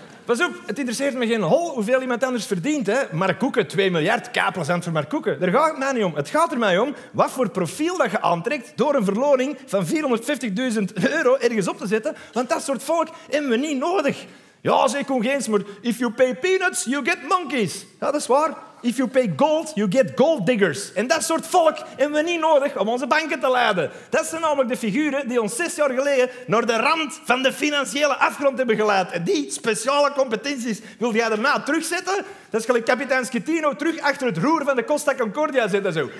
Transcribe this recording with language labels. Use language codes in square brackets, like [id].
[nl] Pas op, het interesseert me geen hol hoeveel iemand anders verdient, hè. Mark Koeken, 2 miljard, kaplazant voor Mark Koeken. Daar gaat het mij niet om. Het gaat er mij om wat voor profiel dat je aantrekt door een verloning van 450.000 euro ergens op te zetten. Want dat soort volk hebben we niet nodig. Ja, zeg Koen Geens, maar [en] if you pay peanuts, you get monkeys. [nl] Ja, dat is waar. [en] If you pay gold, you get gold diggers. [nl] En dat soort volk hebben we niet nodig om onze banken te leiden. Dat zijn namelijk de figuren die ons 6 jaar geleden naar de rand van de financiële afgrond hebben geleid. En die speciale competenties wil jij daarna terugzetten? Dat is gelijk kapitein Schettino terug achter het roer van de Costa Concordia zetten. Zo.